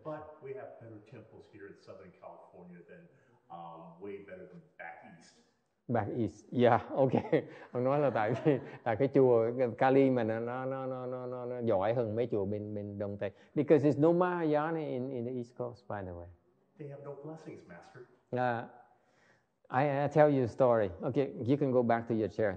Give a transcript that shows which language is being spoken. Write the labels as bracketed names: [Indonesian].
[English] But we have better temples here in Southern California than way better than back east. Back east, yeah, okay. [Vietnamese] Ông nói là tại cái chùa Cali mà nó giỏi hơn mấy chùa bên Đông Tây. [English] Because it's no Mahayana in the East Coast, by the way. They have no blessings, Master. I tell you a story. Okay, you can go back to your chair.